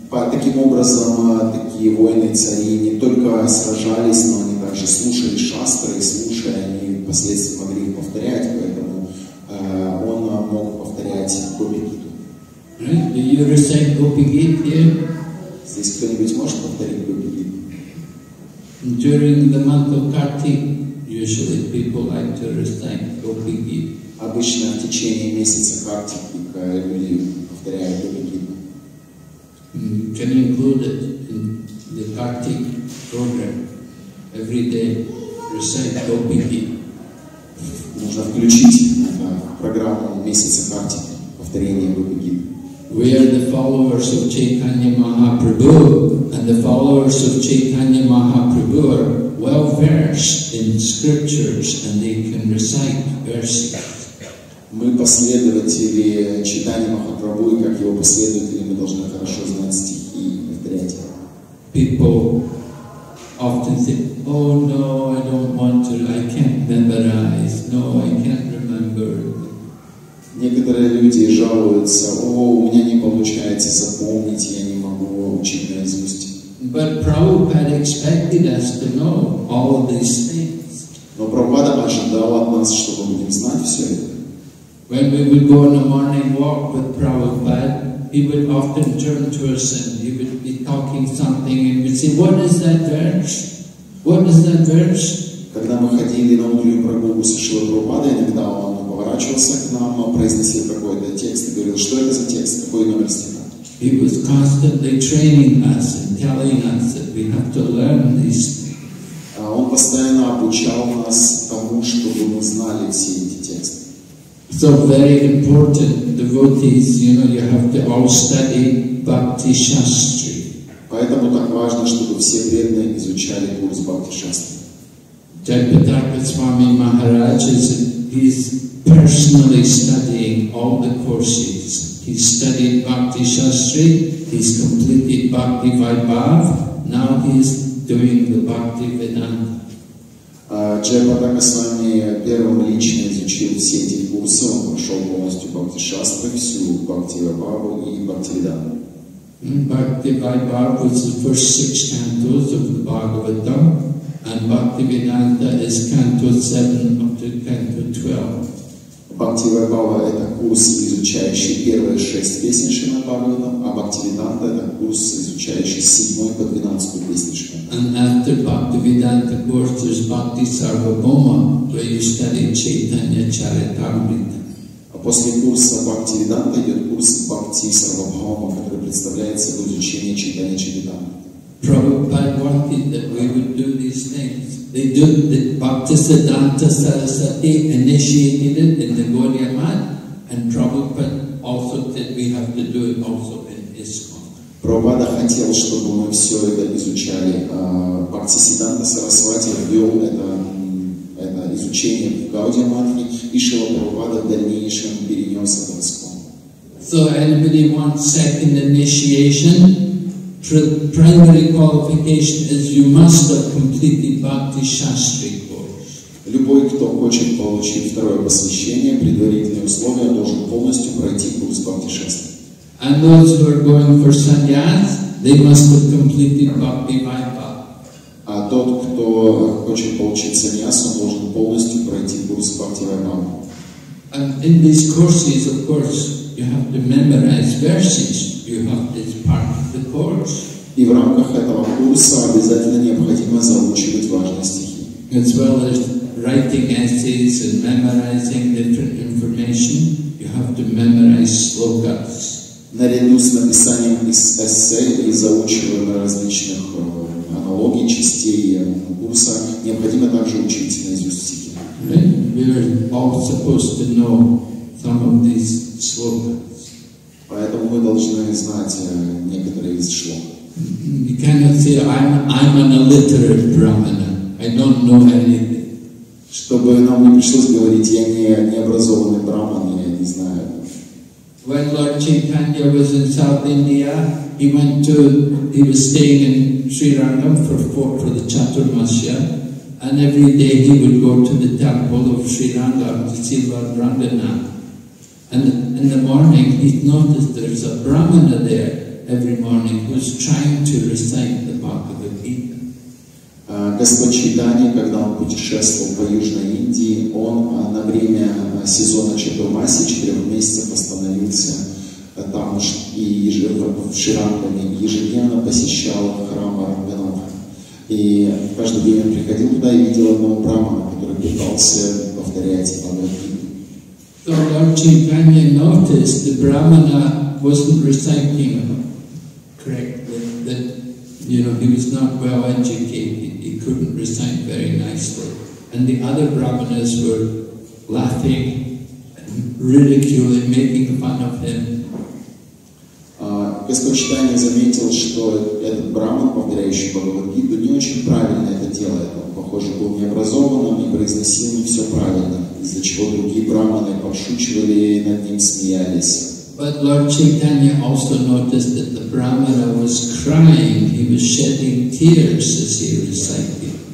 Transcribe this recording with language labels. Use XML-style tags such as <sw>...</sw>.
<ru>Таким образом, такие воины-цари не только сражались, но они также слушали шастры, слушая, они впоследствии могли их повторять, поэтому он мог повторять Гопи-гиту.</ru> <en>Right? Do you recite Gopi-gita here?</en> <ru>Здесь кто-нибудь может повторить Гопи-гиту?</ru> <en>During the month of Kartik, usually people like to recite Gopi-gita.</en> <ru>Обычно в течение месяца Kartik люди повторяют Гопи-гиту.</ru> <en>Can you include it in the Kartik program? Every day, recite Gopi Gita.</en> <ru>Можно включить программу месяца Kartik, повторение Gopi Gita.</ru> <en>We are the followers of Chaitanya Mahaprabhu, and the followers of Chaitanya Mahaprabhu are well versed in scriptures, and they can recite verses.</en> <ru>Мы последователи Чайтаньи Махапрабху, и как его последователи мы должны хорошо знать стихи и повторять.</ru> <en>People often think, oh no, I don't want to, I can't memorize, no, I can't remember.</en> <ru>Некоторые люди жалуются, о, у меня не получается запомнить, я не могу учить наизусть.</ru> <en>But Prabhupada expected us to know all these things.</en> <ru>Но Прабхупада ожидал от нас, чтобы мы знали все это.</ru> <en>When we would go on a morning walk with Prabhupada, he would often turn to us and he would be talking something and we'd say, what is that verse? What is that verse?</en> <ru>Когда мы ходили на утреннюю прогулку со Шрилой Прабхупадой, иногда он поворачивался к нам, произносил какой-то текст и говорил, что это за текст, какой номер стиха.</ru> <en>He was constantly training us and telling us that we have to learn these things.</en> <ru>Он постоянно обучал нас тому, чтобы мы знали все эти тексты.</ru> <en>So very important, devotees, you know, you have to all study Bhakti Shastri.</en> <ru>Поэтому так важно, чтобы все преданные изучали курс Бхакти Шастри.</ru> <en>Jayapataka Swami Maharaj is he's personally studying all the courses. He studied Bhakti Shastri, he's completed Bhakti Vaibhav, now he's doing the Bhakti Vedanta.</en> <ru>Jayapataka Swami первым лично изучил все эти курсы, он прошел полностью Бхакти Шастры, всю Бхакти Вайбхаву и Бхакти Веданту.</ru> <en>Бхакти Вайбхава is the first six cantos of the Bhagavatam, and Бхакти Веданта is canto 7 up to canto 12.</en> <ru>Бхакти Вайбхава — это курс, изучающий первые шесть песен Шримад Бхагаватам, а Бхакти Веданта — это курс, изучающий седьмой по двенадцатую песню Шримад.</ru> <en>And after Bhakti Vedanta course, there's Bhakti Sarvabhauma, where you study Chaitanya Charitamrita.</en> <ru>А после курса Бхакти Веданта идет курс Бхакти Сарвабхаума, который представляет собой изучение Чайтанья Чаритамриты.</ru> <en>Prabhupada wanted that we would do these things. They do the Bhakti Siddhanta Sarasati initiated it in the Gaudiya Math, and Prabhupada also said we have to do it also in ISKCON.</en> <ru>Прабхупада хотел, чтобы мы все это изучали. Бхактисиддханта Сарасвати ввел это изучение в Гаудия Матхи, и Шрила Прабхупада в дальнейшем перенес это в ISKCON.</ru> <en>So anybody wants second initiation? Primary qualification is you must have completed Bhakti Shastri course.</en> <ru>Любой, кто хочет получить второе посвящение, предварительные условия, должен полностью пройти курс Бхакти Шастри.</ru> <en>And those who are going for sannyas, they must have completed Bhakti Vaibhav.</en> <ru>А тот, кто хочет получить sannyas, он должен полностью пройти курс Бхакти Вайбхава.</ru> <en>And in these courses, of course, you have to memorize verses. You have this part of the course.</en> <ru>И в рамках этого курса обязательно необходимо заучивать важные стихи.</ru> <en>As well as writing essays and memorizing different information, you have to memorize slokas.</en> <ru>Наряду с написанием эссе и заучиванием различных аналогий, частей курса, необходимо также учить наизусть стихи.</ru> <en>We are all supposed to know some of these slogans.</en> <ru>Поэтому мы должны знать некоторые из шлок.</ru> <en>You cannot say, I'm an illiterate brahmana. I don't know anything.</en> <ru>Чтобы нам не пришлось говорить, я не образованный брахман, я не знаю.</ru> <en>When Lord Chaitanya was in South India, he was staying in Sri Rangam for the Chaturmasya, And every day he would go to the temple of Sri Ranga to see Lord Ranganath. And in the morning he noticed there's a Brahmana there every morning who's trying to recite the Bhagavad Gita.</en> <ru>Господь Чайтанья, когда он путешествовал по Южной Индии, он на время сезона Чатурмаси, 4 месяца, остановился там и в Ширангане, ежедневно посещал храм Ранганатха. И каждый день он приходил туда и видел одного брахмана, который пытался повторять Бхагавад-гиту.</ru> <en>So Lord Chaitanya noticed the Brahmana wasn't reciting correctly, that, you know, he was not well educated, he couldn't recite very nicely. And the other Brahmanas were laughing, ridiculing, making fun of him.</en> <ru>Господь Чайтанья заметил, что этот брахман, повторяющий Бхагавад-гиту, не очень правильно это делает. Он, похоже, был необразованным и произносил не все правильно, из-за чего другие брахманы подшучивали и над ним смеялись.</ru> <en>But Lord Chaitanya also noticed that the brahmana was crying, he was shedding tears as he recited.</en>